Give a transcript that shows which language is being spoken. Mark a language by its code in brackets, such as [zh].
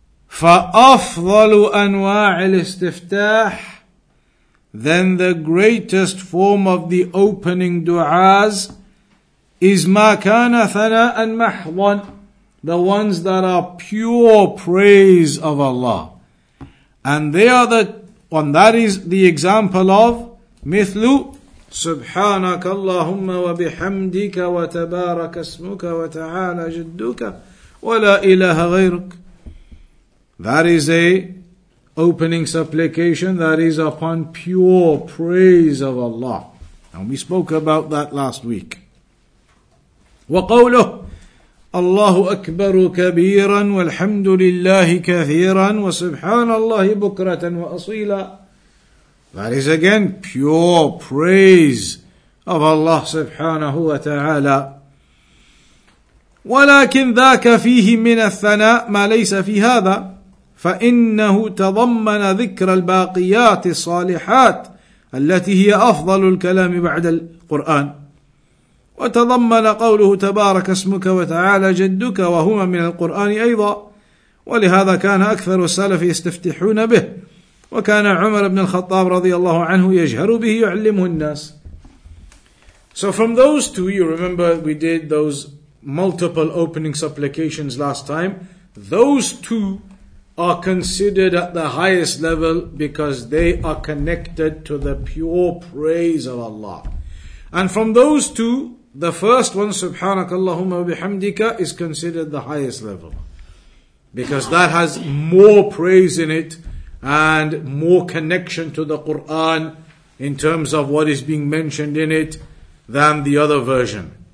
[ar] فَأَفْضَلُ أَنْوَاعِ الْإِسْتِفْتَاحِ, [en] then the greatest form of the opening du'as is [ar] مَا كَانَ ثَنَاءً مَحْضًا, [en] the ones that are pure praise of Allah. And they are the one that is the example of [ar] مِثْلُ سُبْحَانَكَ اللَّهُمَّ وَبِحَمْدِكَ وَتَبَارَكَ اسْمُكَ وَتَعَالَ جِدُّكَ وَلَا إِلَهَ غَيْرُكَ. [en] That is a opening supplication that is upon pure praise of Allah. And we spoke about that last week. [ar] وَقَوْلُهُ أَللَّهُ أَكْبَرُ كَبِيرًا وَالْحَمْدُ لِلَّهِ كَثِيرًا وَسُبْحَانَ اللَّهِ بُكْرَةً وَأَصِيلًا. [en] That is again pure praise of Allah subhanahu wa ta'ala. [ar] وَلَكِنْ ذَاكَ فِيهِ مِنَ الثَّنَاءِ مَا لَيْسَ فِي هَذَا, فإنه تضمن ذكر الباقيات الصالحات التي هي أفضل الكلام بعد القرآن, وتضمن قوله تبارك اسمك وتعالى جدك وهما من القرآن أيضا, ولهذا كان أكثر السلف يستفتحون به, وكان عمر بن الخطاب رضي الله عنه يجهر به يعلمه الناس. [en] So from those two, you remember we did those multiple opening supplications last time. Those two are considered at the highest level because they are connected to the pure praise of Allah. And from those two, the first one, Subhanaka Allahumma bihamdika, is considered the highest level, because that has more praise in it and more connection to the Quran in terms of what is being mentioned in it than the other version.